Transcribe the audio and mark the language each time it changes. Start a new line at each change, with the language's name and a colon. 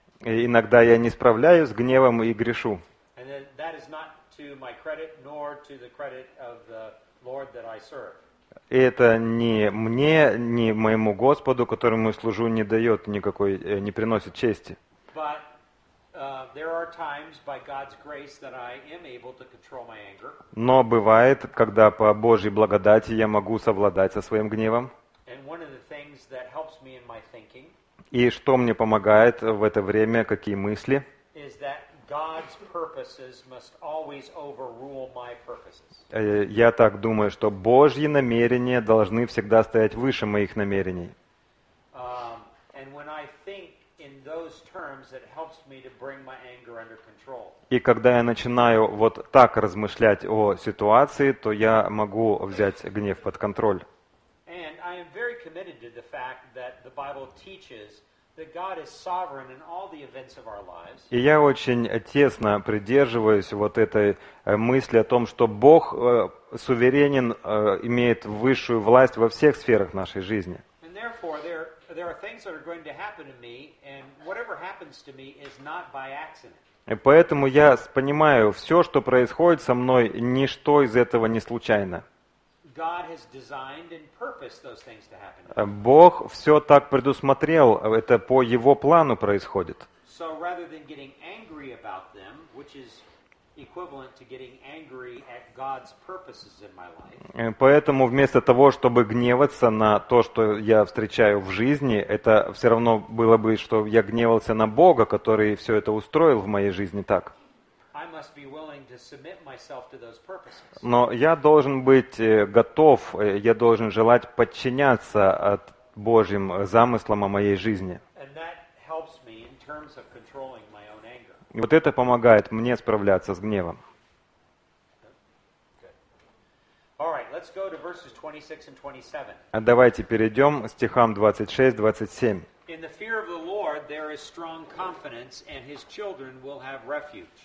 Russian: И иногда я не справляюсь с гневом и грешу.
English: And that is not to my credit, nor to the credit of the Lord that I serve.
Russian: Это не мне, не моему Господу, которому я служу, не дает никакой, не приносит чести.
English: But there are times by God's grace that I am able to control my anger.
Russian: Но бывает, когда по Божьей благодати я могу совладать со своим гневом.
English: And one of the things that helps me in my thinking.
Russian: И что мне помогает в это время, какие мысли?
English: Is that God's purposes must always overrule my purposes.
Russian: Я так думаю, что Божьи намерения должны всегда стоять выше моих намерений.
English: And when I think in those terms, it helps me to bring my anger under control.
Russian: И когда я начинаю вот так размышлять о ситуации, то я могу взять гнев под контроль.
English: And I am very committed to the fact that the Bible teaches that God is sovereign in all the events of our lives.
Russian: И я очень тесно придерживаюсь вот этой мысли о том, что Бог суверенен, имеет высшую власть во всех сферах нашей жизни.
English: And therefore there are things that are going to happen to me, and whatever happens to me is not by accident.
Russian: И поэтому я понимаю, все, что происходит со мной, ничто из этого не случайно.
English: God has designed and purposed those things to happen.
Russian: Бог все так предусмотрел, это по его плану происходит.
English: So rather than getting angry about them, which is equivalent to getting angry at God's purposes in my life.
Russian: Поэтому вместо того, чтобы гневаться на то, что я встречаю в жизни, это все равно было бы, что я гневался на Бога, который все это устроил в моей жизни так.
English: I must be willing to submit myself to those purposes.
Russian: Но я должен быть готов, я должен желать подчиняться от Божьим замыслам о моей жизни.
English: And that helps me in terms of controlling my own anger.
Russian: И вот это помогает мне справляться с гневом.
English: All right, let's go to verses 26 and 27.
Russian: А давайте перейдем к стихам 26-27.
English: In the fear of the Lord there is strong confidence, and his children will have refuge.